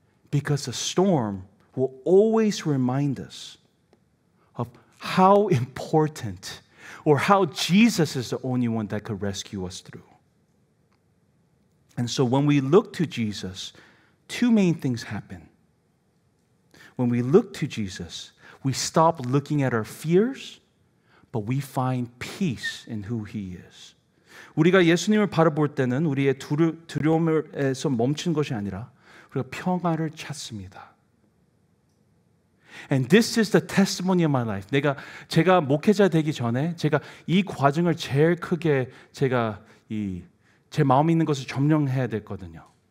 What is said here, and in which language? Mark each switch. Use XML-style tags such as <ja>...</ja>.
<en>Because the storm will always remind us of how important or how Jesus is the only one that could rescue us through. And so when we look to Jesus, two main things happen. When we look to Jesus, we stop looking at our fears, but we find peace in who he is.</en> <ko>우리가 예수님을 바라볼 때는 우리의 두려움에서 멈춘 것이 아니라 우리가 평화를 찾습니다.</ko> <en>And this is the testimony of my life.</en> <ko>제가 목회자 되기 전에 제가 이 과정을 제일 크게 제 마음이 있는 것을 점령해야 됐거든요.</ko>